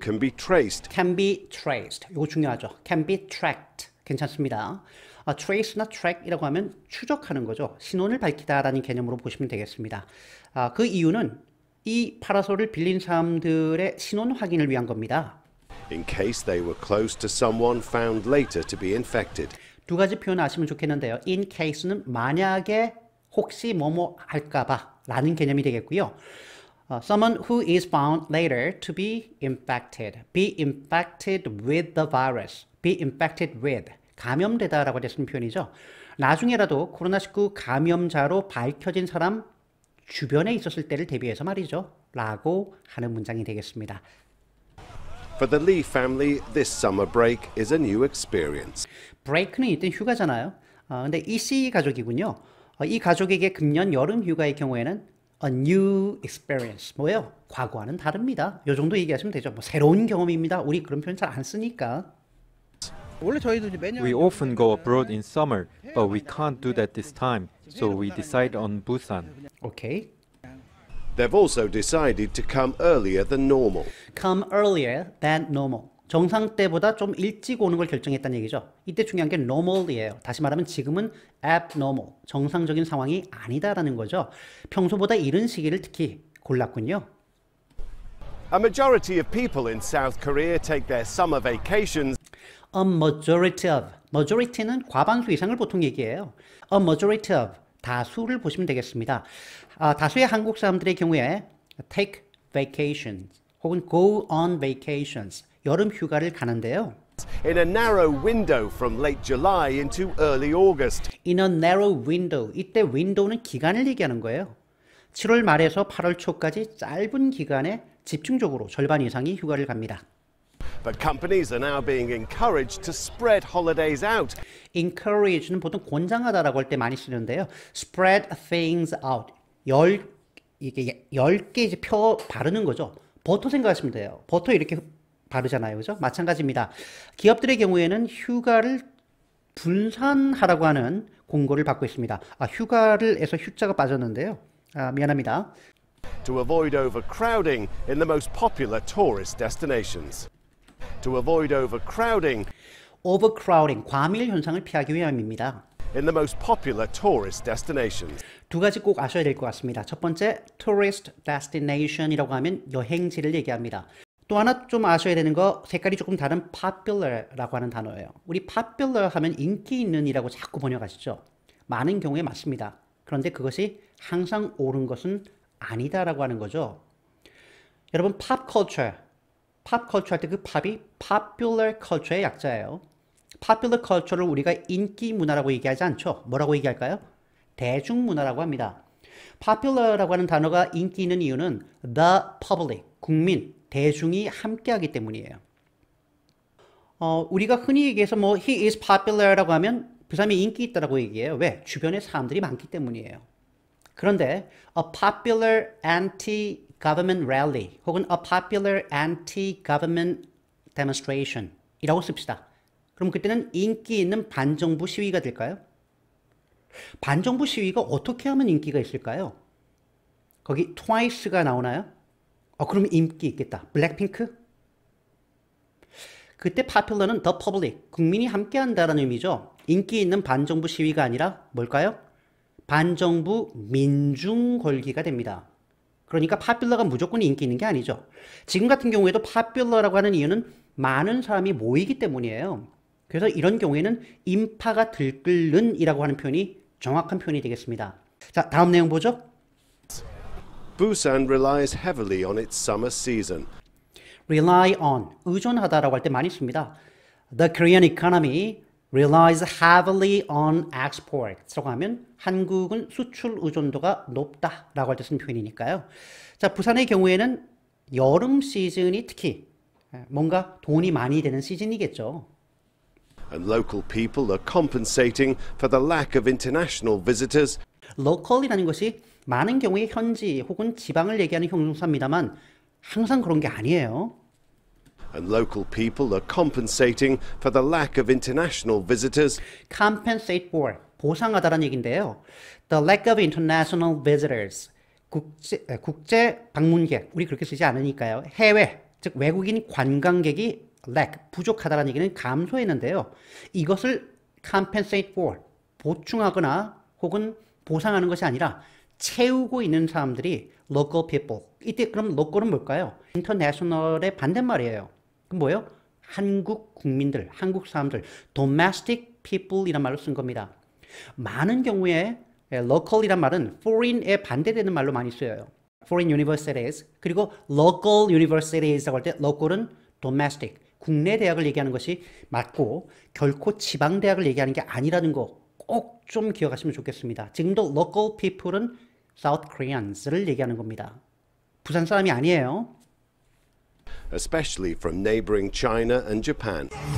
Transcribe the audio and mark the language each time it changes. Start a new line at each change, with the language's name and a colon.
English: can be traced. Can be traced.
Korean: 이거 중요하죠.
English: Can be tracked.
Korean: 괜찮습니다. 아, trace나 track이라고 하면 추적하는 거죠. 신원을 밝히다라는 개념으로 보시면 되겠습니다. 아, 그 이유는 이 파라솔을 빌린 사람들의 신원 확인을 위한 겁니다.
English: In case they were close to someone found later to be infected.
Korean: 두 가지 표현 아시면 좋겠는데요. In case는 만약에 혹시 뭐뭐 할까봐 라는 개념이 되겠고요.
English: Someone who is found later to be infected. Be infected with the virus. Be infected with.
Korean: 감염되다 라고 했던 표현이죠. 나중에라도 코로나19 감염자로 밝혀진 사람 주변에 있었을 때를 대비해서 말이죠. 라고 하는 문장이 되겠습니다.
English: For the Lee family, this summer break is a new experience.
Korean: Break는 일단 휴가잖아요. 근데 이 C 가족이군요. 이 가족에게 금년 여름 휴가의 경우에는
English: A new experience.
Korean: 뭐예요? 과거와는 다릅니다. 요 정도 얘기하시면 되죠. 뭐 새로운 경험입니다. 우리 그런 표현 잘 안 쓰니까.
English: We often go abroad in summer, but we can't do that this time. So we decide on Busan. Okay. They've also decided to come earlier than normal. Come earlier than normal.
Korean: 정상 때보다 좀 일찍 오는 걸 결정했다는 얘기죠. 이때 중요한 게 normal이에요. 다시 말하면 지금은 abnormal, 정상적인 상황이 아니다라는 거죠. 평소보다 이른 시기를 특히 골랐군요.
English: A majority of people in South Korea take their summer vacations. A majority of.
Korean: Majority는 과반수 이상을 보통 얘기해요.
English: A majority of.
Korean: 다수를 보시면 되겠습니다. 아, 다수의 한국 사람들의 경우에
English: take vacations
Korean: 혹은
English: go on vacations.
Korean: 여름 휴가를 가는데요.
English: In a narrow window from late July into early August. In a narrow window.
Korean: 이때 window는 기간을 얘기하는 거예요. 7월 말에서 8월 초까지 짧은 기간에 집중적으로 절반 이상이 휴가를 갑니다.
English: But companies are now being encouraged to spread holidays out.
Korean: Encourage는 보통 권장하다라고 할 때 많이 쓰는데요.
English: Spread things out.
Korean: 10개 이제 펴 바르는 거죠. 버터 생각하시면 돼요. 버터 이렇게 바르잖아요. 그죠? 마찬가지입니다. 기업들의 경우에는 휴가를 분산하라고 하는 공고를 받고 있습니다. 아, 휴가를 해서 휴자가 빠졌는데요. 아, 미안합니다.
English: To avoid overcrowding in the most popular tourist destinations. To avoid overcrowding.
Korean: Overcrowding, 과밀 현상을 피하기 위함입니다.
English: In the most popular tourist destinations.
Korean: 두 가지 꼭 아셔야 될 것 같습니다. 첫 번째, tourist destination이라고 하면 여행지를 얘기합니다. 또 하나 좀 아셔야 되는 거 색깔이 조금 다른 popular라고 하는 단어예요. 우리 popular 하면 인기 있는 이라고 자꾸 번역하시죠. 많은 경우에 맞습니다. 그런데 그것이 항상 옳은 것은 아니다 라고 하는 거죠. 여러분 pop culture 팝 컬처 할때그 팝이 popular culture의 약자예요. popular culture를 우리가 인기 문화라고 얘기하지 않죠. 뭐라고 얘기할까요? 대중문화라고 합니다. popular라고 하는 단어가 인기 있는 이유는 the public, 국민, 대중이 함께하기 때문이에요. 우리가 흔히 얘기해서 뭐
English: he is popular
Korean: 라고 하면 그 사람이 인기 있다라고 얘기해요. 왜? 주변에 사람들이 많기 때문이에요. 그런데
English: a popular anti-government rally
Korean: 혹은
English: a popular anti-government demonstration
Korean: 이라고 씁시다. 그럼 그때는 인기 있는 반정부 시위가 될까요? 반정부 시위가 어떻게 하면 인기가 있을까요? 거기 트와이스가 나오나요? 그럼 인기 있겠다. 블랙핑크? 그때 popular는 the public, 국민이 함께한다라는 의미죠. 인기 있는 반정부 시위가 아니라 뭘까요? 반정부 민중걸기가 됩니다. 그러니까 popular가 무조건 인기 있는 게 아니죠. 지금 같은 경우에도 popular라고 하는 이유는 많은 사람이 모이기 때문이에요. 그래서 이런 경우에는 인파가 들끓는 이라고 하는 표현이 정확한 표현이 되겠습니다. 자, 다음 내용 보죠.
English: Busan relies heavily on its summer season.
Korean: rely on, 의존하다 라고 할 때 많이 씁니다.
English: The Korean economy relies heavily on exports
Korean: 라고 하면 한국은 수출 의존도가 높다 라고 할 때 쓴 표현이니까요. 자, 부산의 경우에는 여름 시즌이 특히 뭔가 돈이 많이 되는 시즌이겠죠.
English: And local people are compensating for the lack of international visitors.
Korean: local이라는 것이 많은 경우에 현지 혹은 지방을 얘기하는 형용사입니다만 항상 그런 게 아니에요.
English: And local people are compensating for the lack of international visitors.
Korean: compensate for, 보상하다라는 얘긴데요.
English: The lack of international visitors,
Korean: 국제 방문객, 우리 그렇게 쓰지 않으니까요. 해외, 즉 외국인 관광객이 lack, 부족하다라는 얘기는 감소했는데요. 이것을 compensate for, 보충하거나 혹은 보상하는 것이 아니라 채우고 있는 사람들이 local people. 이때 그럼 local은 뭘까요? international의 반대말이에요. 그럼 뭐예요? 한국 국민들, 한국 사람들, domestic people이란 말로 쓴 겁니다. 많은 경우에 local이란 말은 foreign에 반대되는 말로 많이 쓰여요. foreign universities, 그리고 local universities라고 할 때 local은 domestic, 국내 대학을 얘기하는 것이 맞고 결코 지방 대학을 얘기하는 게 아니라는 거 꼭 좀 기억하시면 좋겠습니다. 지금도 local people은 South Koreans를 얘기하는 겁니다. 부산 사람이 아니에요.
English: Especially from neighboring China and Japan.